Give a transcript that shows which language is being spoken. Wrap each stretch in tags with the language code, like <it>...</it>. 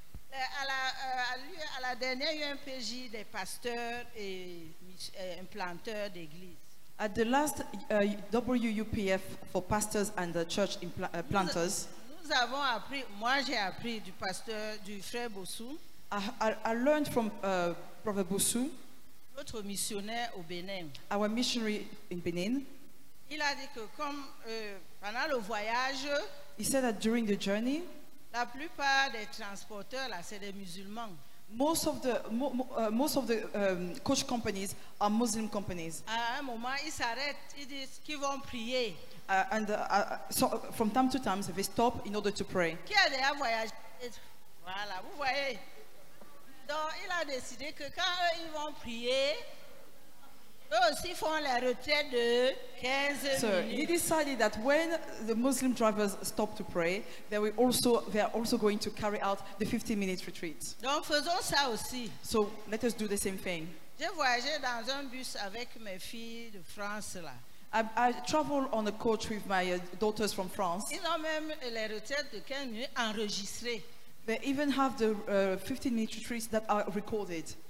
<fr>À la dernière UMPJ des pasteurs et implanteurs d'église.</fr> <en>At the last WUPF for pastors and the church planters.</en> <fr>Nous avons appris, moi j'ai appris du pasteur, du frère Bossou.</fr> <en>I learned from Brother Bossou.</en> <fr>Notre missionnaire au Bénin.</fr> <en>Our missionary in Benin.</en> <fr>Il a dit que comme pendant le voyage.</fr> <en>He said that during the journey.</en> <fr>La plupart des transporteurs, là, c'est des musulmans.</fr> <en>Most of the coach companies are Muslim companies.</en> <fr>À un moment, ils s'arrêtent, ils disent qu'ils vont prier.</fr> <en>So from time to time, they stop in order to pray.</en> <fr>Qui a déjà voyagé? Voilà, vous voyez. Donc, il a décidé que quand eux, ils vont prier, eux aussi font la retraite de 15</fr> <en>so</en> <fr>minutes.</fr> <en>He decided that when the Muslim drivers stop to pray, they are also going to carry out the 15-minute retreat.</en> <fr>Donc, faisons ça aussi.</fr> <en>So let us do the same thing.</en> <fr>J'ai voyagé dans un bus avec mes filles de France là.</fr> <en>I travel on a coach with my daughters from France.</en> <fr>Ils ont même les retraites de 15 minutes enregistrées.</fr> <en>They even have the 15-minute retreats that are recorded.</en>